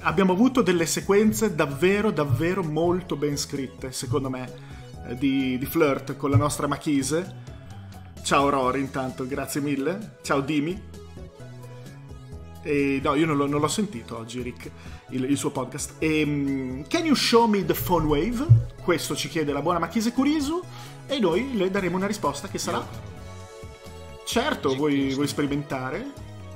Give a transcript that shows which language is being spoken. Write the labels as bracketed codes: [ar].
[it] Abbiamo avuto delle sequenze davvero, davvero molto ben scritte, secondo me. Di flirt con la nostra Makise. Ciao Rory intanto, grazie mille. Ciao Dimi. E no, io non l'ho sentito oggi Rick il suo podcast. [en] E can you show me the phone wave? [it] Questo ci chiede la buona Makise Kurisu e noi le daremo una risposta che sarà certo. Vuoi sperimentare?